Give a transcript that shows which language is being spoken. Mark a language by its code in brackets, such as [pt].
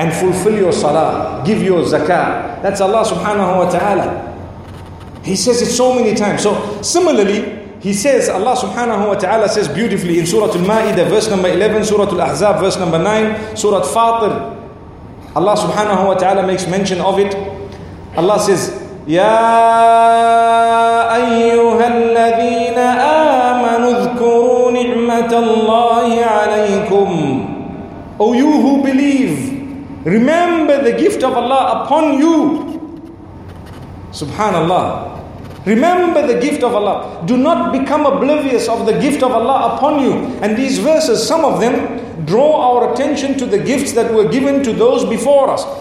[en] And fulfill your salah. Give your zakah. That's Allah subhanahu wa ta'ala. He says it so many times. So similarly, He says, Allah subhanahu wa ta'ala says beautifully in Surah Al-Ma'idah, verse number 11, Surah Al-Ahzab, verse number 9, Surah Fatir. Allah subhanahu wa ta'ala makes mention of it. [ar] Allah says, يَا أَيُّهَا الَّذِينَ آمَنُوا اذْكُرُوا نِعْمَةَ اللَّهِ عَلَيْكُمْ. [en] O you who believe, remember the gift of Allah upon you. Subhanallah. Remember the gift of Allah. Do not become oblivious of the gift of Allah upon you. And these verses, some of them draw our attention to the gifts that were given to those before us.